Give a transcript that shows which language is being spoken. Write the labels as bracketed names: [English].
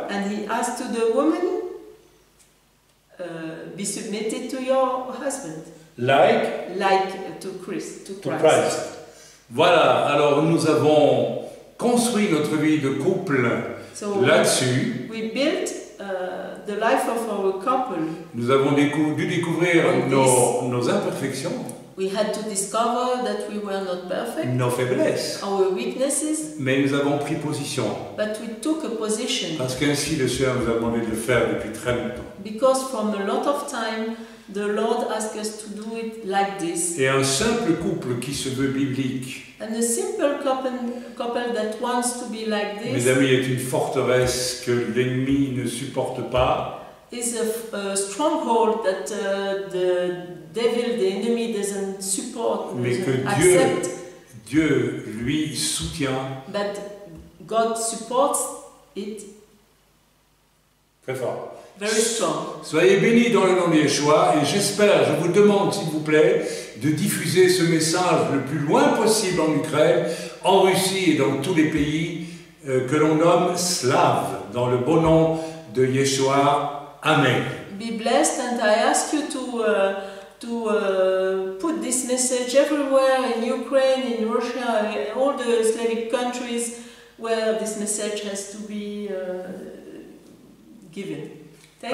[English] And he asked to the woman, be submitted to your husband. Like to Christ. [French] Voilà, alors nous avons construit notre vie de couple [English] so [French] là-dessus. [English] We built the life of our couple. [French] Nous avons dû découvrir nos imperfections. [English] We had to discover that we were not perfect. [French] Nos faiblesses. [English] Our weaknesses. [French] Mais nous avons pris position. [English] But we took a position. [French] Parce qu'ainsi le Seigneur nous a demandé de le faire depuis très longtemps. [English] Because from a lot of time, the Lord asked us to do it like this. [French] Et un simple couple qui se veut biblique. [English] And a simple couple that wants to be like this. [French] Mes amis, est une forteresse que l'ennemi ne supporte pas. [English] Is a stronghold that the devil, the enemy, doesn't support. [French] Mais que Dieu lui soutient. [English] But God supports it. [French] Très fort. [English] Very strong. [French] Soyez bénis dans le nom de Yeshua et j'espère, je vous demande s'il vous plaît, de diffuser ce message le plus loin possible en Ukraine, en Russie et dans tous les pays que l'on nomme slaves, dans le bon nom de Yeshua. Amen. [English] Be blessed and I ask you to put this message everywhere in Ukraine, in Russia, in all the Slavic countries where this message has to be given. Thank